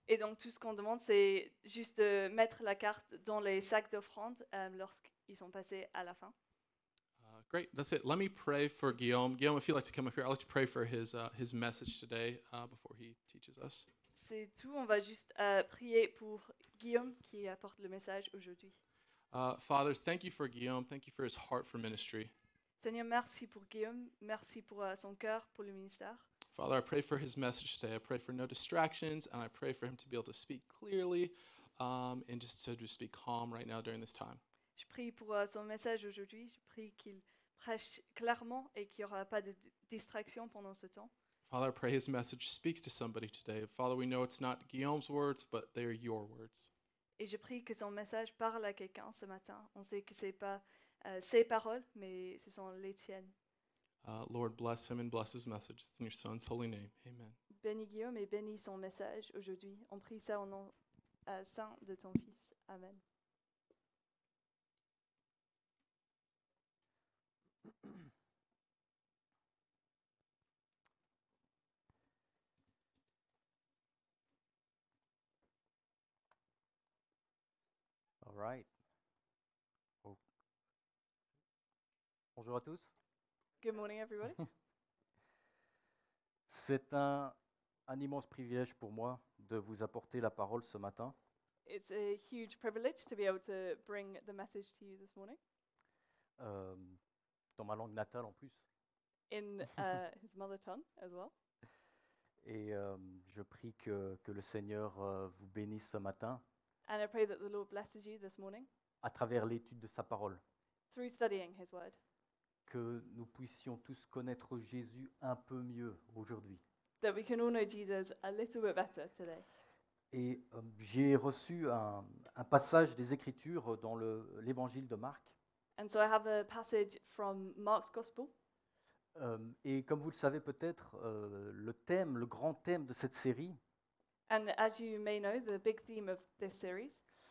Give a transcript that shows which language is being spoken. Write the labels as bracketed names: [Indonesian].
[French] Et donc, tout ce qu'on demande, c'est juste de mettre la carte dans les sacs d'offrande lorsqu'ils sont passés à la fin. [English] Great, that's it. Let me pray for Guillaume. Guillaume, if you'd like to come up here, I'd like to pray for his message today before he teaches us. [French] C'est tout, on va juste prier pour Guillaume qui apporte le message aujourd'hui. [English] Father, thank you for Guillaume. Thank you for his heart for ministry. [French] Seigneur, merci pour Guillaume. Merci pour son cœur pour le ministère. [English] Father, I pray for his message today. I pray for no distractions, and I pray for him to be able to speak clearly and just to just be calm right now during this time. [French] Je prie pour son message aujourd'hui. Je prie qu'il prêche clairement et qu'il n'y aura pas de distraction pendant ce temps. [English] Father, I pray his message speaks to somebody today. Father, we know it's not Guillaume's words, but they are your words. [French] Et je prie que son message parle à quelqu'un ce matin. On sait que ce n'est pas ses paroles, mais ce sont les tiennes. [English] Lord, bless him and bless his message. It's in your son's holy name. Amen. [French] Bénis Guillaume et bénis son message aujourd'hui. On prie ça au nom saint de ton fils. Amen. [English] All right. Oh. [French] Bonjour à tous. [English] Good morning, everybody. [French] C'est un immense privilège pour moi de vous apporter la parole ce matin. [English] It's a huge privilege to be able to bring the message to you this morning. [French] Dans ma langue natale en plus. [English] In his mother tongue as well. [French] Et je prie que le Seigneur vous bénisse ce matin. [English] And I pray that the Lord blesses you this morning. [French] À travers l'étude de sa parole. [English] Through studying his word. [French] Que nous puissions tous connaître Jésus un peu mieux aujourd'hui. [English] That we can all know Jesus a little bit better today. [French] Et j'ai reçu un passage des Écritures dans l'Évangile de Marc. [English] And so I have a passage from Mark's Gospel. [French] Et comme vous le savez peut-être, le thème, le grand thème de cette série. [English] And as you may know, the big theme of this series